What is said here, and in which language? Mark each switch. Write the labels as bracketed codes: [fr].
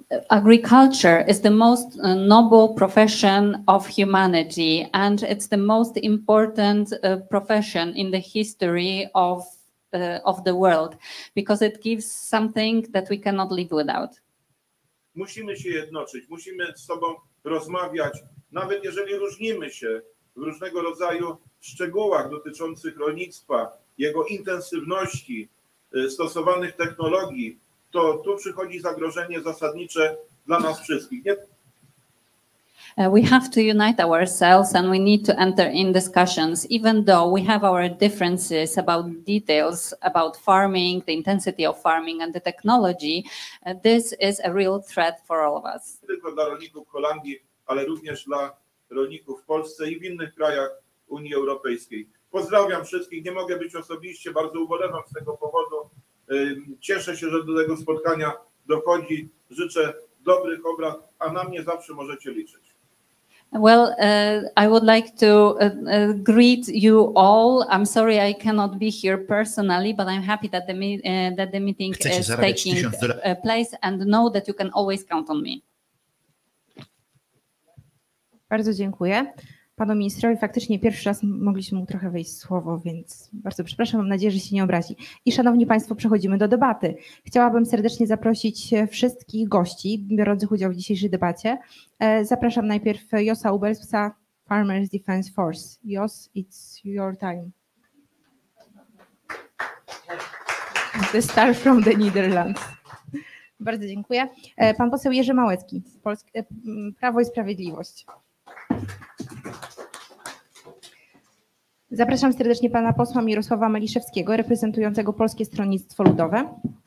[en] Agriculture is the most noble profession of humanity, and it's the most important profession in the history of the world, because it gives something that we cannot live without. [pl] Musimy się jednoczyć, musimy z sobą rozmawiać, nawet jeżeli różnimy się w różnego rodzaju szczegółach dotyczących rolnictwa, jego intensywności, stosowanych technologii, to tu przychodzi zagrożenie zasadnicze dla nas wszystkich. Nie? [en] We have to unite ourselves, and we need to enter in discussions, even though we have our differences about details, about farming, the intensity of farming and the technology. This is a real threat for all of us. [pl] Nie tylko dla rolników w Holandii, ale również dla rolników w Polsce i w innych krajach Unii Europejskiej. Pozdrawiam wszystkich. Nie mogę być osobiście, bardzo ubolewam z tego powodu. Cieszę się, że do tego spotkania dochodzi. Życzę dobrych obrad, a na mnie zawsze możecie liczyć. [en] Well, I would like to greet you all. I'm sorry I cannot be here personally, but I'm happy that the meeting is taking place, and know that you can always count on me. [pl] Bardzo dziękuję panu ministrowi. Faktycznie pierwszy raz mogliśmy mu trochę wejść w słowo, więc bardzo przepraszam, mam nadzieję, że się nie obrazi. I szanowni państwo, przechodzimy do debaty. Chciałabym serdecznie zaprosić wszystkich gości biorących udział w dzisiejszej debacie. Zapraszam najpierw Josa Ubelsa, Farmers Defence Force. [en] Jos, it's your time. The star from the Netherlands. [pl] Bardzo dziękuję. Pan poseł Jerzy Małecki, Prawo i Sprawiedliwość. Zapraszam serdecznie pana posła Mirosława Maliszewskiego, reprezentującego Polskie Stronnictwo Ludowe.